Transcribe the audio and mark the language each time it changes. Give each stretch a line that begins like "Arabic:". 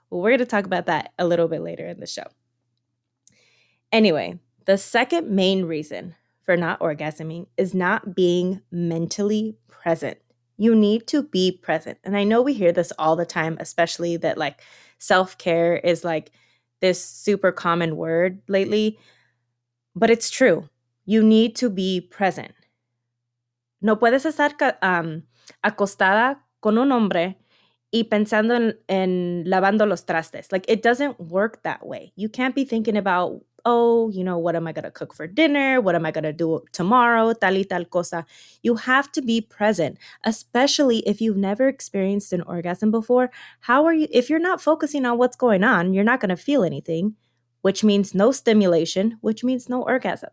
English: Well, we're going to talk about that a little bit later in the show. Anyway, the second main reason for not orgasming is not being mentally present. You need to be present. And I know we hear this all the time, especially that like self-care is like this super common word lately, but it's true. You need to be present.
Spanish: No puedes estar acostada con un hombre y pensando en lavando los trastes.
English: Like, it doesn't work that way. You can't be thinking about, oh, you know, what am I going to cook for dinner? What am I going to do tomorrow?
Spanish: Tal y tal cosa.
English: You have to be present, especially if you've never experienced an orgasm before. How are you, if you're not focusing on what's going on, you're not going to feel anything, which means no stimulation, which means no orgasm.